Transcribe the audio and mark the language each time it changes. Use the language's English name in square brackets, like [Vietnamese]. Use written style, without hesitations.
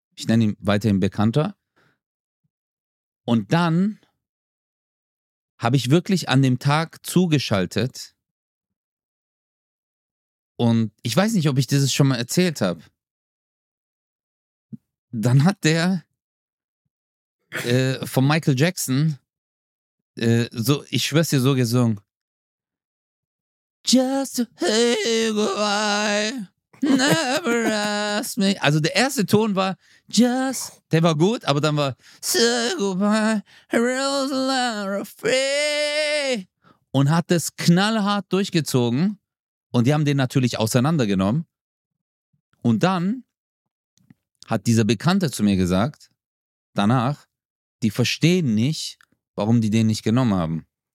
[German] Ich nenne ihn weiterhin Bekannter. Und dann habe ich wirklich an dem Tag zugeschaltet. Und ich weiß nicht, ob ich dieses schon mal erzählt habe. Dann hat der von Michael Jackson so, ich schwör's dir, so gesungen. [English] Just to say goodbye, never ask me. [German] Also der erste Ton war just, der war gut, aber dann war [English] say goodbye, free. [German] Und hat das knallhart durchgezogen. Und die haben den natürlich auseinandergenommen. Und dann hat dieser Bekannte zu mir gesagt, danach, die verstehen nicht, warum die den nicht genommen haben.